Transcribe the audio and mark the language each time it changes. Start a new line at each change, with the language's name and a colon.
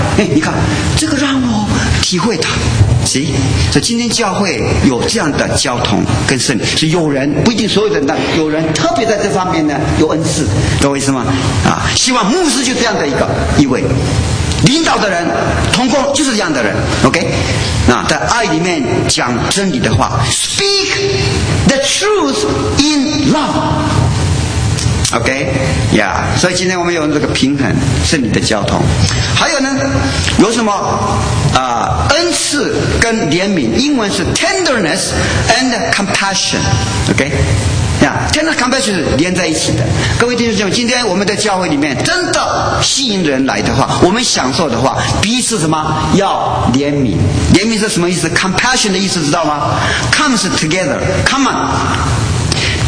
Chinese: 哎，你看这个让我体会他。
English: See?
Chinese: 所以今天教会有这样的交通跟圣灵，是有人不一定所有的，但有人特别在这方面呢有恩赐，懂我意思吗？啊，希望牧师就这样的一个一位领导的人，同工就是这样的人。 OK， 那在爱里面讲真理的话 ，
English: Speak the truth in love。
Chinese: OK， yeah， 所以今天我们有这个平衡圣灵的交通，还有呢，有什么啊、恩赐跟怜悯，英文是
English: tenderness and compassion。
Chinese: OK， yeah，
English: tender compassion
Chinese: 是连在一起的。各位弟兄姐妹，今天我们在教会里面真的吸引人来的话，我们享受的话，彼此什么要怜悯？怜悯是什么意思 ？compassion 的意思知道吗 ？
English: comes together， come on。